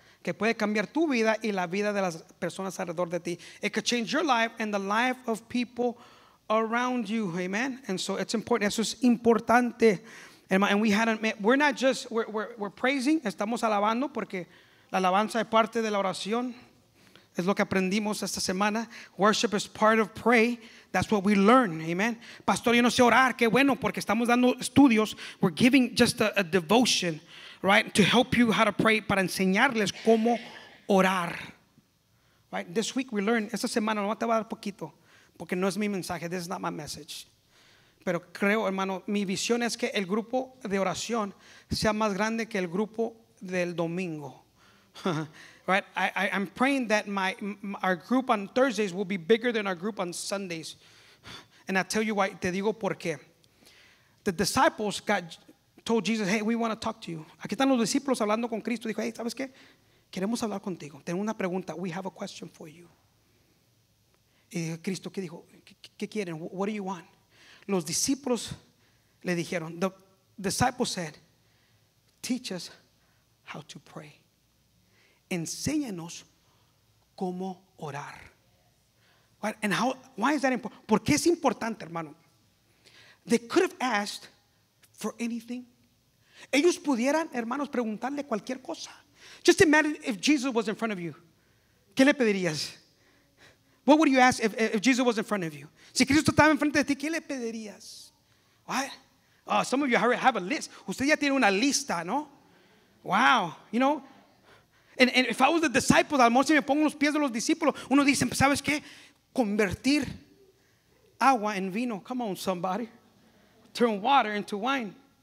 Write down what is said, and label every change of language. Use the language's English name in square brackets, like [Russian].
[Spanish] Que puede cambiar tu vida y la vida de las personas alrededor de ti. [English] It could change your life and the life of people around you. Amen. And so it's important. [Spanish] Eso es importante. [English] And we hadn't met. We're not just, we're praising. [Spanish] Estamos alabando porque la alabanza es parte de la oración. Es lo que aprendimos esta semana. [English] Worship is part of pray. That's what we learn. Amen. [Spanish] Pastor, yo no sé orar. Qué bueno, porque estamos dando estudios. [English] We're giving just a devotion. Right, to help you how to pray, [Spanish] para enseñarles cómo orar. [English] Right, this week we learn. [Spanish] Esta semana no te va a dar poquito, porque no es mi mensaje. [English] This is not my message. [Spanish] Pero creo, hermano, mi visión es que el grupo de oración sea más grande que el grupo del domingo. [English] Right, I'm praying that our group on Thursdays will be bigger than our group on Sundays. And I tell you why. [Spanish] Te digo por qué. [English] The disciples told Jesus, hey, we want to talk to you. [Spanish] Aquí están los discípulos hablando con Cristo. Dijo, [English] hey, [Spanish] ¿sabes qué? Queremos hablar contigo. Tengo una pregunta. [English] We have a question for you. [Spanish] Y Cristo, ¿qué dijo? ¿Qué quieren? [English] What do you want? [Spanish] Los discípulos le dijeron, [English] the disciples said, teach us how to pray. [Spanish] enséñanos cómo orar. [English] And how, why is that important? [Spanish] ¿Por qué es importante, hermano? [English] They could have asked for anything. [Spanish] Ellos pudieran, hermanos, preguntarle cualquier cosa. [English] Just imagine if Jesus was in front of you. [Spanish] ¿Qué le pedirías? [English] What would you ask if Jesus was in front of you? [Spanish] Si Cristo estaba enfrente de ti, ¿qué le pedirías? [English] What? Oh, some of you already have a list. [Spanish] Usted ya tiene una lista, ¿no? [English] Wow, you know. And if I was the disciples, [Spanish] a lo mejor si me pongo los pies de los discípulos, uno dice, ¿sabes qué? Convertir agua en vino. [English] Come on, somebody. Turn water into wine.